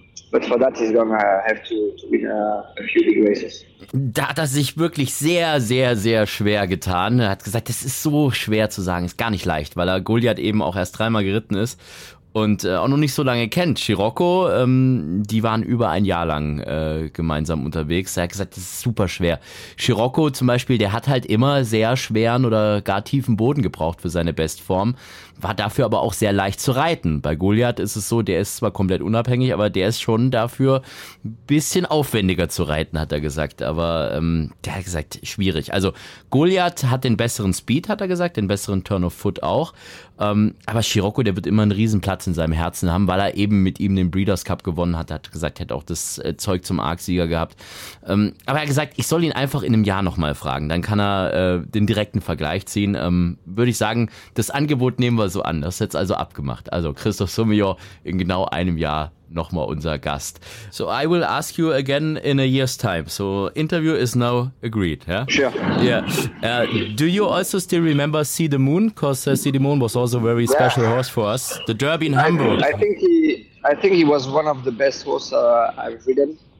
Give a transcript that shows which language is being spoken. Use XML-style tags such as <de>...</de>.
<en>But for that he's gonna have to win a few big races.</en> <de>Da hat er sich wirklich sehr, sehr, sehr schwer getan. Er hat gesagt, das ist so schwer zu sagen, ist gar nicht leicht, weil er Goliath eben auch erst dreimal geritten ist. Und auch noch nicht so lange kennt. Scirocco, die waren über ein Jahr lang gemeinsam unterwegs. Er hat gesagt, das ist super schwer. Scirocco zum Beispiel, der hat halt immer sehr schweren oder gar tiefen Boden gebraucht für seine Bestform, war dafür aber auch sehr leicht zu reiten. Bei Goliath ist es so, der ist zwar komplett unabhängig, aber der ist schon dafür ein bisschen aufwendiger zu reiten, hat er gesagt. Aber der hat gesagt, schwierig. Also Goliath hat den besseren Speed, hat er gesagt, den besseren Turn of Foot auch. Aber Scirocco, der wird immer einen riesen Platz in seinem Herzen haben, weil er eben mit ihm den Breeders' Cup gewonnen hat. Er hat gesagt, er hätte auch das Zeug zum Arc-Sieger gehabt. Aber er hat gesagt, ich soll ihn einfach in einem Jahr nochmal fragen. Dann kann er den direkten Vergleich ziehen. Würde ich sagen, das Angebot nehmen wir so an. Das ist jetzt also abgemacht. Also Christoph Sommillon in genau einem Jahr nochmal unser Gast.</de> <en>So I will ask you again in a year's time. So interview is now agreed. Yeah. Sure. Yeah. Do you also still remember See the Moon? Because See the Moon was also a very special horse for us. The Derby in Hamburg. I think he was one of the best horses I've ridden.</en>